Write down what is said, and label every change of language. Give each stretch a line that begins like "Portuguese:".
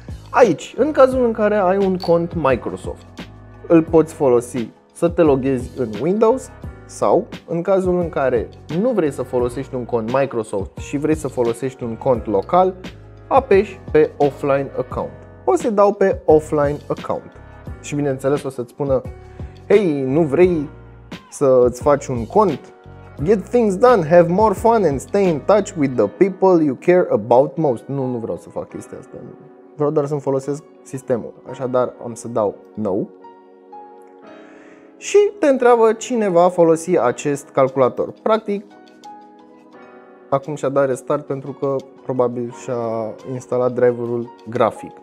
Romanian: Aici, în cazul în care ai un cont Microsoft, îl poți folosi să te loghezi în Windows, sau, în cazul în care nu vrei să folosești un cont Microsoft și vrei să folosești un cont local, apeși pe Offline Account. O să-i dau pe Offline Account. Și bineînțeles o să-ți spună, hei, nu vrei să-ți faci un cont?
English: Get things done, have more fun and stay in touch with the people you care about most.
Romanian: Nu, nu vreau să fac chestia asta. Vreau doar să-mi folosesc sistemul. Așadar, am să dau No. Și te întreabă cine va folosi acest calculator. Practic, acum și-a dat restart pentru că probabil și-a instalat driverul grafic.